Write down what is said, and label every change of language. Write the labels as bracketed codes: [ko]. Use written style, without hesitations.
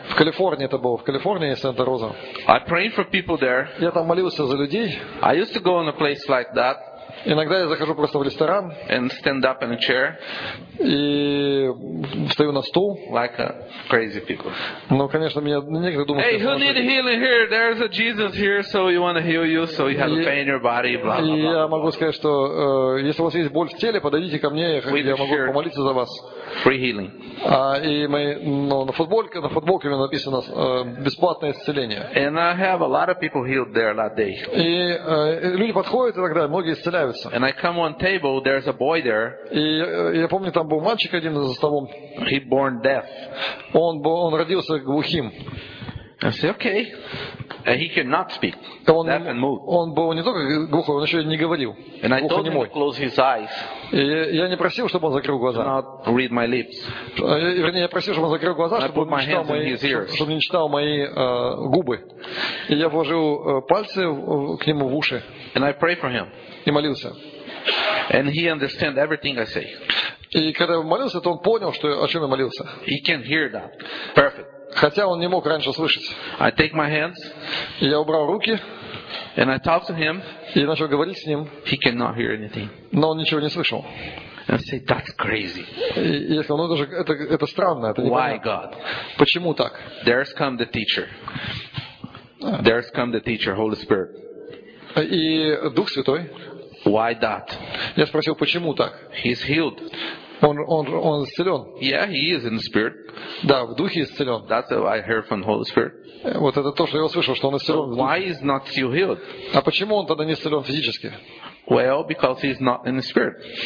[ru] В Калифорнии это было, в Калифорнии Santa Rosa. [en] I prayed for people there. [ru] Я там молился за людей. [en] I used to go in a place like that. [ru] Иногда я захожу просто в ресторан. [en] And stand up in a chair. [ru] И встаю на стул. [en] Like crazy people. [ru] Ну, конечно, меня некоторые думают. [en] Hey, who need healing here? There's a Jesus here, so he want to heal you, so you have a pain in your body, blah, blah, blah. [ru] И я могу сказать, что если у вас есть боль в теле, подойдите ко мне, я могу помолиться за вас. [en] Free healing. [ru] И мы, ну, на футболке написано бесплатное исцеление. [en] And I have a lot of people healed there that day. [ru] И люди подходят и так далее, многие исцеляются. [en] And I come on table, there's a boy there. [ru] И я помню, там был мальчик один за столом. [en] He born deaf. [ru] Он родился глухим. [en] I say, okay. And he cannot speak. Deaf and mute. [ru] Он был не только глухой, он еще не говорил. [en] And I told him to close his eyes. [ru] Я не просил, чтобы он закрыл глаза. [en] To not read my lips. [ru] Вернее, я просил, чтобы он закрыл глаза, чтобы не читал мои губы. И я вложил пальцы к нему в уши. [en] And I pray for him. [ru] И молился. [en] And he understand everything I say. [ru] И когда я молился, то он понял, что, о чем я молился. [en] He can hear that. Perfect. [ru] Хотя он не мог раньше слышать. [en] I take my hands, [ru] я убрал руки. [en] And I talk to him, [ru] и начал говорить с ним. [en] He cannot hear anything. [ru] Но он ничего не слышал. [en] And I say, that's crazy. [ru] И я сказал, ну это странно. Это [en] Why God? [ru] Почему так? [en] There's come the teacher. There's come the teacher, Holy Spirit. [ru] И Дух Святой. [en] Why that? [ru] Я спросил, почему так? [en] He's healed. [ru] Он исцелен. [en] Yeah, he is in the spirit. [ru] Да, в духе исцелен. [en] That's what I heard from the Holy Spirit. [ru] Вот это то, что я услышал, что он исцелен. [en] So why is not still healed? [ru] А почему он тогда не исцелен физически? [en] Well, because he's not in the spirit.